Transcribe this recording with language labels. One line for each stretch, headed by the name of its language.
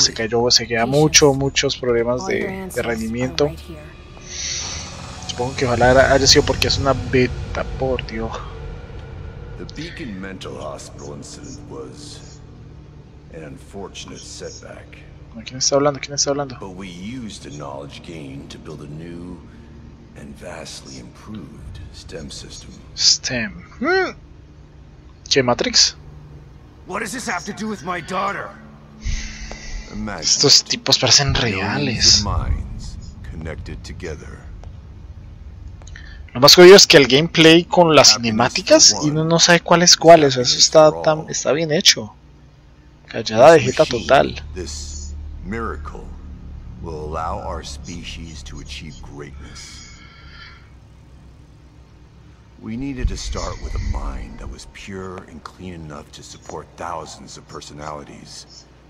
Spanish: Se cayó, se queda muchos problemas de rendimiento. Supongo que ojalá haya sido porque es una beta, por Dios.
English: The Beacon Mental Hospital incident was an unfortunate setback.
Spanish: ¿Quién está hablando?
English: But we used the knowledge gained to build a new and vastly improved STEM system.
Spanish: STEM. ¿Qué, Matrix?
English: What does this have to do with my daughter?
Spanish: Estos tipos parecen reales.
English: Connected together
Spanish: Lo más curioso es que el gameplay con las cinemáticas y uno no sabe cuáles cuáles, o sea, eso está tan, está bien hecho. Callada de jeta total.
English: This miracle will allow our species to achieve greatness. We needed to start with a mind that was pure and clean enough to support thousands of personalities.